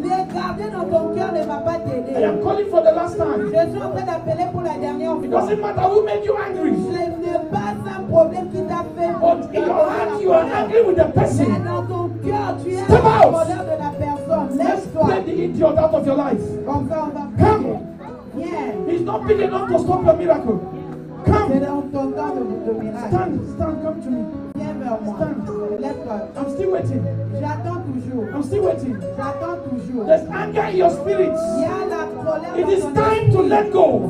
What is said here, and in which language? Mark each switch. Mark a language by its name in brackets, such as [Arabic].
[French] Les garder dans ton cœur ne va pas t'aider. [English] I am calling for the last time. [French] Je suis en train d'appeler pour la dernière fois. [English] It doesn't matter who made you angry. [French] Ce n'est pas un problème qui t'a fait. [English] But in your heart, you are angry with the person. [French] Mais dans ton cœur, tu es en colère de la personne. Lève-toi. [English] Let the idiot out of your life. [French] Comme ça, on va. [English] Come. Yeah. He's not big enough to stop your miracle. Come. Stand, stand, come to me. Stand. I'm still waiting. [French] J'attends toujours. [English] I'm still waiting. [French] J'attends toujours. [English] There's anger in your spirit. It is time to let go.